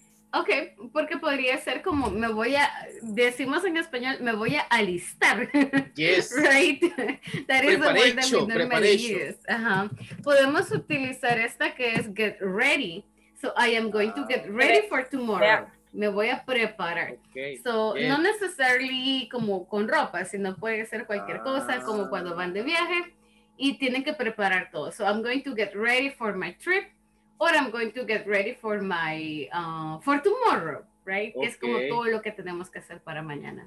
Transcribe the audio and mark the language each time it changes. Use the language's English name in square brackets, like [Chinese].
[Spanish] Ok, porque podría ser como me voy a, decimos en español, me voy a alistar. [English] Yes. Right? That is the word that we normally use. [Spanish] Podemos utilizar esta que es [English] get ready. So I am going to get ready for tomorrow. Yeah. [Spanish] Me voy a preparar. [English] Okay. [Spanish] So, no necesariamente como con ropa, sino puede ser cualquier cosa, como cuando van de viaje. y tienen que preparar todo. [English] So I'm going to get ready for my trip, or I'm going to get ready for my for tomorrow. Right? [Spanish] Okay. Es como todo lo que tenemos que hacer para mañana.